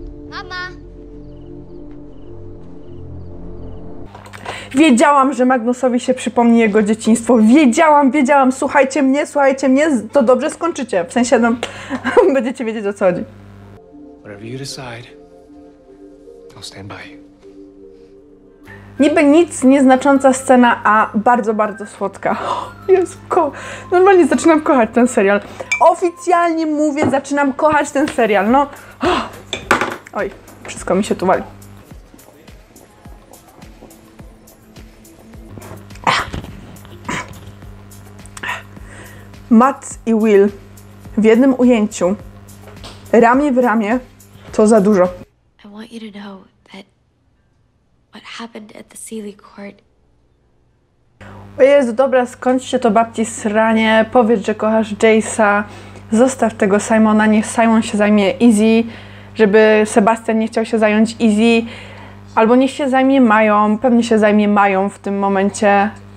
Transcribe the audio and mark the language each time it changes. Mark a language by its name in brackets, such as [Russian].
[Polish] Mama! Wiedziałam, że Magnusowi się przypomni jego dzieciństwo. Wiedziałam, wiedziałam. Słuchajcie mnie, słuchajcie mnie. To dobrze skończycie. W sensie, no, będziecie wiedzieć, o co chodzi. [English] Whatever you decide, I'll stand by. [Polish] Niby nic, nieznacząca scena, a bardzo, bardzo słodka. Jezu, normalnie zaczynam kochać ten serial. Oficjalnie mówię, zaczynam kochać ten serial, no. Oj, wszystko mi się tu wali. Ach. Matt i Will w jednym ujęciu, ramię w ramię, to za dużo. [English] I want you to know that what happened at the Seely Court. [Polish] O Jezu, dobra, skończ się to babci sranie, powiedz, że kochasz Jace'a, zostaw tego Simona, niech Simon się zajmie Izzy, żeby Sebastian nie chciał się zająć Izzy, albo niech się zajmie Mają, pewnie się zajmie Mają w tym momencie.